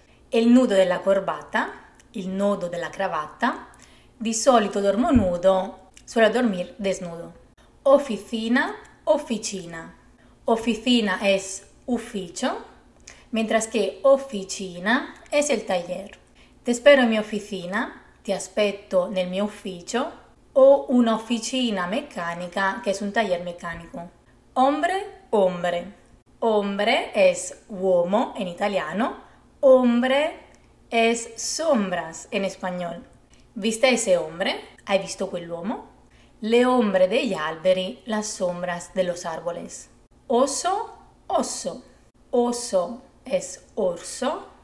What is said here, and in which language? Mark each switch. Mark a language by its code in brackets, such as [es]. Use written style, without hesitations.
[es] El nudo de la corbata, [it] il nodo della cravatta, di solito dormo nudo, [es] suelo dormir desnudo. Oficina, officina. Oficina es ufficio, mientras que officina es el taller. Te espero en mi oficina, [it] ti aspetto nel mio ufficio, o una officina meccanica, che è un taller meccanico. [es] Hombre, hombre. Hombre es uomo en italiano, hombre es sombras en español. ¿Viste ese hombre? [it] ¿Hai visto quell'uomo? Le ombre degli alberi, [es] las sombras de los árboles. Oso, osso. Oso es orso.